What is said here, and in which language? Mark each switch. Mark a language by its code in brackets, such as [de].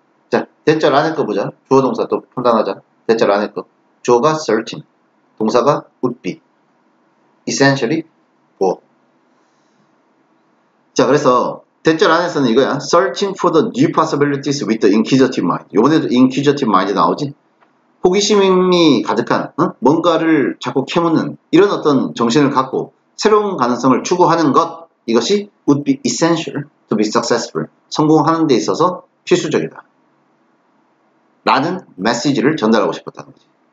[ko] 자, 대절 안에 거 보자. 주어 동사 또 판단하자. 대절 안에 거. 주어가 searching. 동사가 [en] would be. Essentially, [ko] 뭐. 자, 그래서 대절 안에서는 이거야. [en] Searching for the new possibilities with the inquisitive mind. [ko] 요번에도 inquisitive mind 나오지? 호기심이 가득한, 어? 뭔가를 자꾸 캐묻는 이런 어떤 정신을 갖고 새로운 가능성을 추구하는 것. 이것이 [en] would be essential to be successful. [ko] 성공하는 데 있어서 필수적이다. 라는 메시지를 전달하고 싶었다는 거지.